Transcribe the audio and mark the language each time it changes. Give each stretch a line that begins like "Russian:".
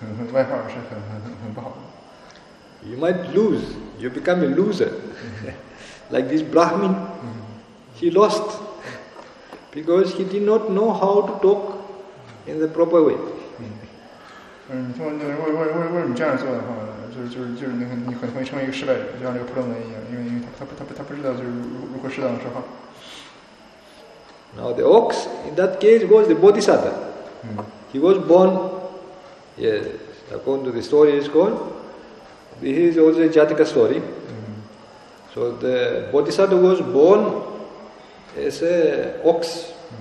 Chinese: 从红绿灯里面的故事，大家可以看到，就是说，给别人起不好的这种外号是很不好的。
English: You might lose. You become a loser. Like this Brahmin, he lost because he did not know how to talk in the proper way.
Chinese: 你说，为什么这样做的话，就是你很容易成为一个失败者，就像这个普罗门一样，因为他不知道就是如何适当的说话。
English: Now the ox in that case was the bodhisattva. He was born. According to the story, is called. This is also a Jataka story. So the Bodhisattva was born as an ox.